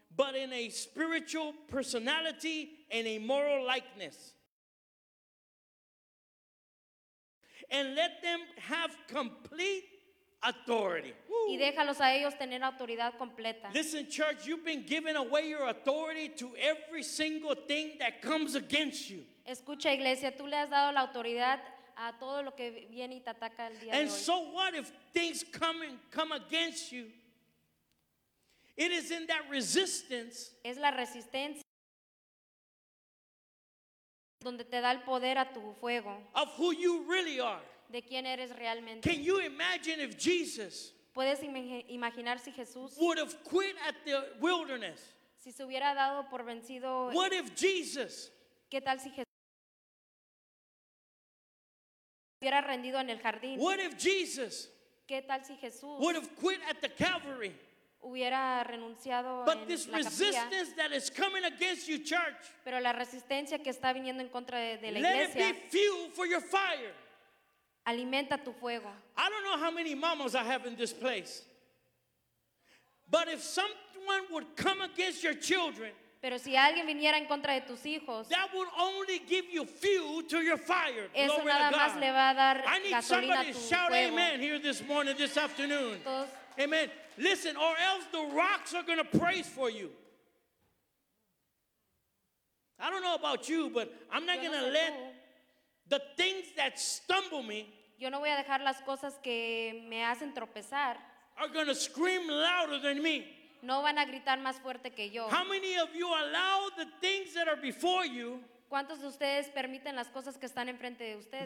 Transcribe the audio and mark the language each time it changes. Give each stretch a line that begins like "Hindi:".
English: But in a spiritual personality and a moral likeness. And let them have complete authority.
Spanish: Y déjalos a ellos tener autoridad completa.
English: Listen, church, you've been giving away your authority to every single thing that comes against you.
Spanish: Escucha, iglesia, tú le has dado la autoridad a todo lo que viene y te ataca el día de hoy.
English: And so what if things come against you? It is in that resistance.
Spanish: Es la resistencia. Donde te da el poder a tu fuego.
English: Of who you really are.
Spanish: De quién eres realmente.
English: Can you imagine if Jesus
Spanish: ¿Puedes imaginar si Jesús
English: would have quit at the wilderness?
Spanish: Si se hubiera dado por vencido.
English: What if Jesus
Spanish: ¿Qué tal si Jesús hubiera rendido en el jardín?
English: What if Jesus
Spanish: ¿Qué tal si Jesús
English: would have quit at the Calvary?
Spanish: Hubiera renunciado
English: But
Spanish: en
English: this
Spanish: la
English: resistance that is coming against you, church,
Spanish: pero la resistencia que está viniendo en contra de la
English: let
Spanish: iglesia,
English: it be fuel for your fire.
Spanish: Alimenta tu fuego.
English: I don't know how many mamas I have in this place, but if someone would come against your children,
Spanish: pero si alguien viniera en contra de tus hijos,
English: that would only give you fuel to your fire.
Spanish: Eso nada más le va a dar
English: I need somebody to shout
Spanish: fuego.
English: Amen here this morning, this afternoon.
Spanish: Todos
English: Amen. Listen, or else the rocks are going to praise for you. I don't know about you, but I'm not going to let the things that stumble me.
Spanish: Yo no voy a dejar las cosas que me hacen tropezar.
English: Are going to scream louder than me.
Spanish: No van a gritar más fuerte que yo.
English: How many of you allow the things that are before you?
Spanish: ¿Cuántos de ustedes permiten las cosas que están enfrente de ustedes?